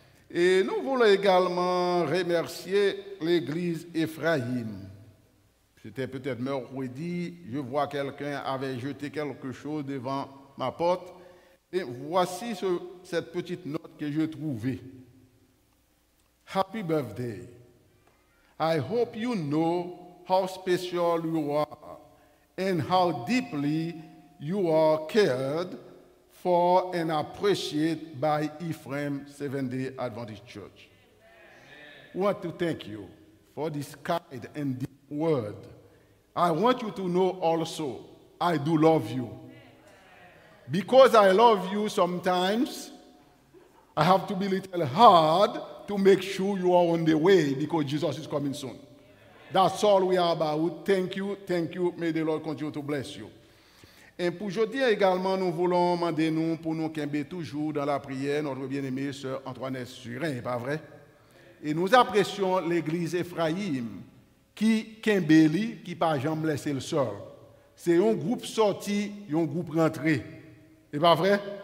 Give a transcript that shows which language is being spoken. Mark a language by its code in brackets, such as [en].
[fr] Et nous voulons également remercier l'église Éphraïm. C'était peut-être mercredi, je vois quelqu'un avait jeté quelque chose devant ma porte. Et voici cette petite note que j'ai trouvée. [en] Happy birthday. I hope you know how special you are and how deeply you are cared for and appreciated by Ephraim Seventh-day Adventist Church. I want to thank you for this kind and deep word. I want you to know also, I do love you. Because I love you sometimes, I have to be a little hard to make sure you are on the way because Jesus is coming soon. That's all we are about. Thank you, may the Lord continue to bless you. [fr] Et pour aujourd'hui également, nous voulons demander nous pour nous quimber toujours dans la prière, notre bien-aimée sœur Antoinette Surin, pas vrai? Et nous apprécions l'église Éphraïm, qui Kimbeli, qui par jambes laisser le sol. C'est un groupe sorti, un groupe rentré. C'est pas vrai?